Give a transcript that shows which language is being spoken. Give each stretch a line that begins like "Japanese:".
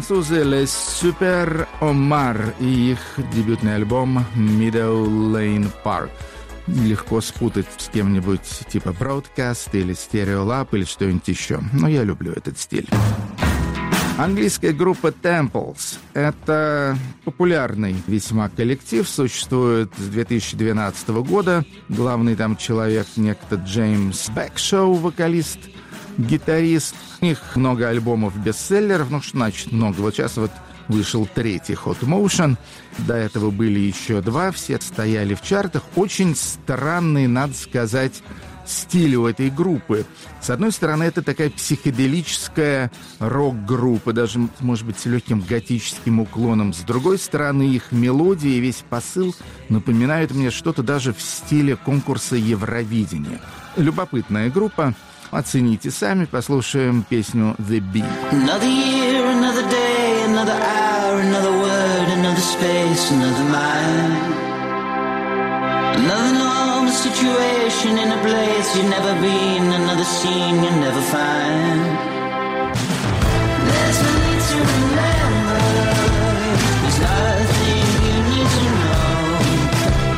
Russian: Les Super Omar и их дебютный альбом Meadow Lane Park. Легко спутать с кем-нибудь типа Broadcast или Stereo Lab или что-нибудь еще. Но я люблю этот стиль. Английская группа Temples. Это популярный весьма коллектив. Существует с 2012 года. Главный там человек некто Джеймс Бэкшоу, вокалист, гитарист. У них много альбомов бестселлеров, ну что значит много? Вот сейчас вот вышел третий Hot Motion, до этого были еще два, все стояли в чартах. Очень странный, надо сказать, стиле у этой группы. С одной стороны, это такая психоделическая рок-группа, даже, может быть, с легким готическим уклоном. С другой стороны, их мелодии и весь посыл напоминают мне что-то даже в стиле конкурса Евровидения. Любопытная группа. Оцените сами, послушаем песню «The Bee».
English: Another year, another day, another hour, another word, another space, another mind. Another normal situation in a place you've never been, another scene you'll never find. There's no need to remember, there's nothing you need to know.